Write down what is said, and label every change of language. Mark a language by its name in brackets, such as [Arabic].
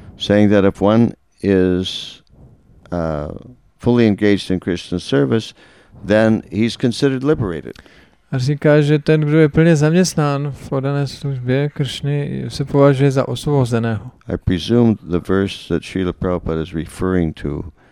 [English] Saying that if one is fully engaged in Krishna service, then he's considered liberated. [Czech] A říká, že ten, kdo je plně zaměstnán v podané službě Kršny, se považuje za osvobozeného. [English] I presume the verse that Srila Prabhupada is referring to.